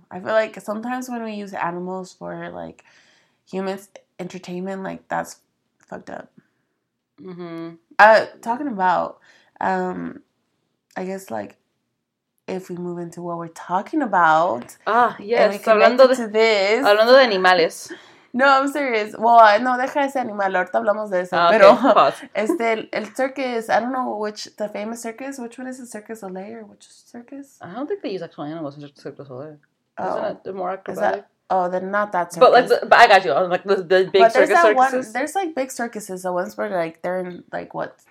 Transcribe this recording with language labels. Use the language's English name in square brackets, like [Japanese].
[English] I feel like sometimes when we use animals for, like, humans entertainment, like, that's fucked up. Mm-hmm. Talking about I guess, like, if we move into what we're talking about, yes, [Spanish] hablando de animales. [English] No, I'm serious. Well, no, [Spanish] deja ese animal, ahorita hablamos de eso. Pero [English] okay. el circus, I don't know which, the famous circus, which one is the Circus Olay or which circus? I don't think they use actual animals in Circus Olay. Isn't it more acrobatic? Oh, then not that circus. But, like, but I got you. Like, the big circus. But there's circus that one. There's, like, big circuses. The ones where, like, they're in, like, what?